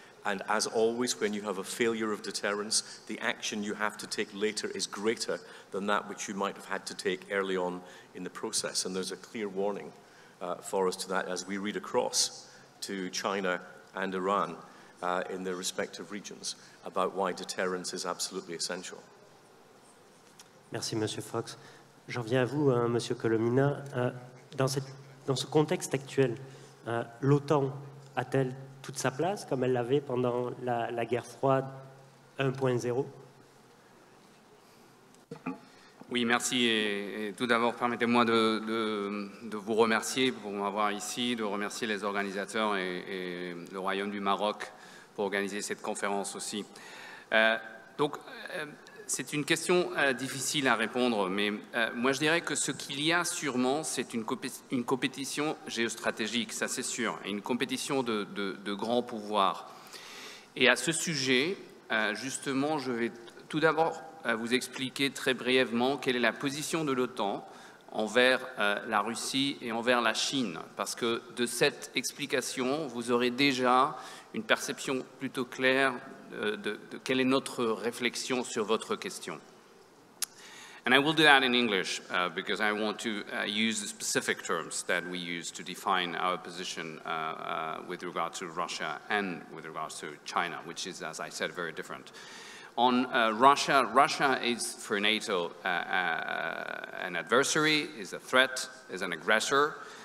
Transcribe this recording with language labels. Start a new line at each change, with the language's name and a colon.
English: And as always, when you have a failure of deterrence, the action you have to take later is greater than that which you might have had to take early on in the process. And there's a clear warning for us to that as we read across to China and Iran in their respective regions about why deterrence is absolutely essential.
French: Merci, Monsieur Fox. J'en viens à vous, Monsieur Colomina. Dans ce contexte actuel, l'OTAN a-t-elle toute sa place, comme elle l'avait pendant la guerre froide 1.0? Oui, merci. Et tout d'abord, permettez-moi de vous remercier pour m'avoir ici, de remercier les organisateurs et le Royaume du Maroc pour organiser cette conférence aussi. C'est une question difficile à répondre, mais moi je dirais que ce qu'il y a sûrement, c'est une compétition géostratégique, ça c'est sûr, et une compétition de grands pouvoirs. Et à ce sujet, justement, je vais tout d'abord vous expliquer très brièvement quelle est la position de l'OTAN envers la Russie et envers la Chine, parce que de cette explication, vous aurez déjà une perception plutôt claire de quelle est notre réflexion sur votre question.
English: And I will do that in English because I want to use the specific terms that we use to define our position with regard to Russia and with regard to China, which is, as I said, very different. On Russia is for NATO an adversary, is a threat, is an aggressor.